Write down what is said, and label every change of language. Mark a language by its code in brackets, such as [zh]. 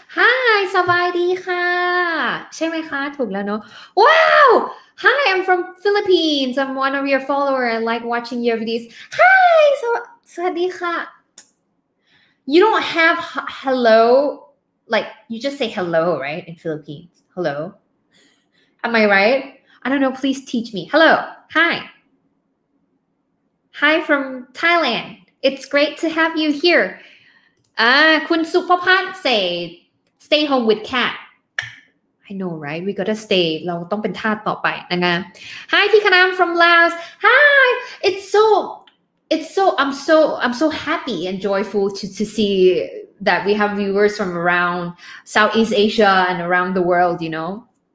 [en] Hi, [th] สวัสดีค่ะใช่ไหมคะถูกแล้วเนาะ [en] Wow! Hi, I'm from Philippines. I'm one of your followers. I like watching your videos. Hi, [th] สวัสดีค่ะ [en] You don't have hello. Like, you just say hello, right? In Philippines. Hello. Am I right? I don't know. Please teach me. Hello. Hi. Hi from Thailand. It's great to have you here. คุณสุภพัฒน์ say stay home with cat. I know, right? We gotta stay. [th] เราต้องเป็นทาสต่อไปนะคะ [en] Hi, [th] พี่คณาม [en] from Laos. Hi. I'm so happy and joyful to see that we have viewers from around Southeast Asia and around the world, you know.